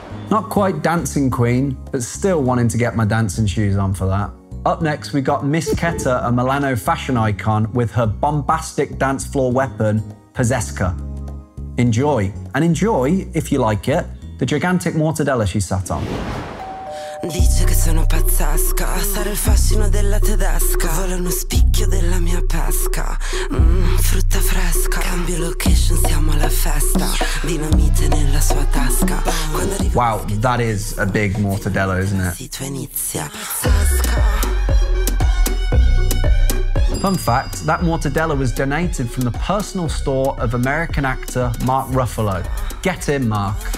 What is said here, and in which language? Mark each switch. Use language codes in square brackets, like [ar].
[en] Not quite dancing queen, but still wanting to get my dancing shoes on for that. Up next, we got Myss Keta, a Milano fashion icon, with her bombastic dance floor weapon, Pazzeska. Enjoy, and enjoy, if you like it, the gigantic mortadella she sat on. [it] Dice che sono pazzesca, sarà il fascino della tedesca. Vola uno spicchio della mia pesca, frutta fresca. Cambio location, siamo alla festa. Dinamite nella sua tasca. [en] Wow, that is a big mortadella, isn't it? Fun fact, that mortadella was donated from the personal store of American actor Mark Ruffalo. Get in, Mark.